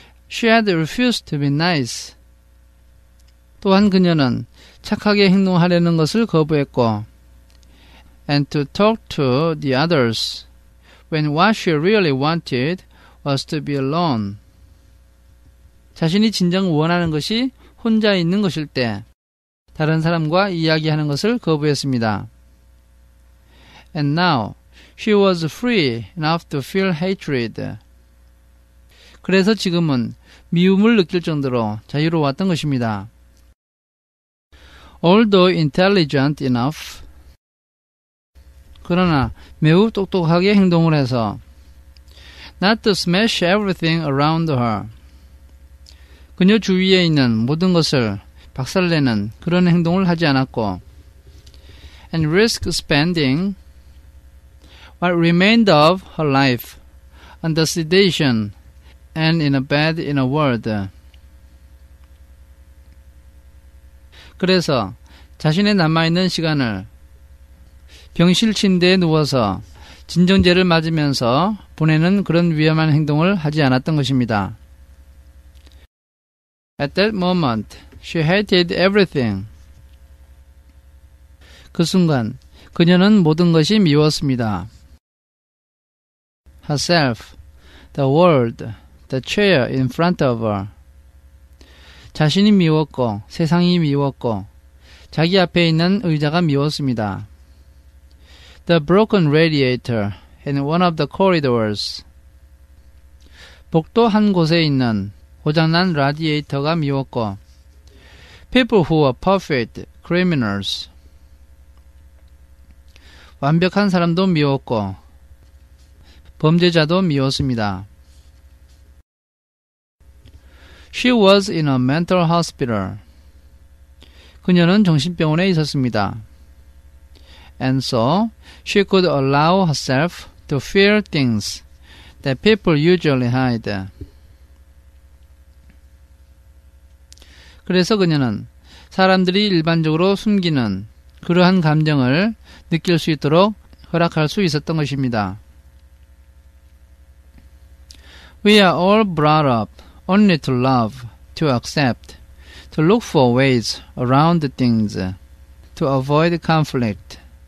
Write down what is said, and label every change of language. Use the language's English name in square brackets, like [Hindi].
[English] She had refused to be nice. [Korean] 또한 그녀는 착하게 행동하려는 것을 거부했고, [English] and to talk to the others when what she really wanted was to be alone. [Korean] 자신이 진정 원하는 것이 혼자 있는 것일 때 다른 사람과 이야기하는 것을 거부했습니다. [English] And now she was free enough to feel hatred. [Korean] 그래서 지금은 미움을 느낄 정도로 자유로웠던 것입니다. [English] Although intelligent enough, [Korean] 그러나 매우 똑똑하게 행동을 해서 [English] not to smash everything around her. [Korean] 그녀 주위에 있는 모든 것을 박살내는 그런 행동을 하지 않았고 [English] and risk spending what remained of her life under sedation and in a bed in a ward. [Korean] 그래서 자신의 남아있는 시간을 병실 침대에 누워서 진정제를 맞으면서 보내는 그런 위험한 행동을 하지 않았던 것입니다. [English] At that moment, she hated everything. [Korean] 그 순간, 그녀는 모든 것이 미웠습니다. [English] Herself, the world, the chair in front of her. [Korean] 자신이 미웠고, 세상이 미웠고, 자기 앞에 있는 의자가 미웠습니다. [English] The broken radiator in one of the corridors. [Korean] 복도 한 곳에 있는 고장난 라디에이터가 미웠고 [English] People who are perfect criminals [Korean] 완벽한 사람도 미웠고 범죄자도 미웠습니다. [English] She was in a mental hospital. [Korean] 그녀는 정신병원에 있었습니다. [English] And so, she could allow herself to feel things that people usually hide. [Korean] 그래서 그녀는 사람들이 일반적으로 숨기는 그러한 감정을 느낄 수 있도록 허락할 수 있었던 것입니다. [English] We are all brought up only to love, to accept, to look for ways around things, to avoid conflict.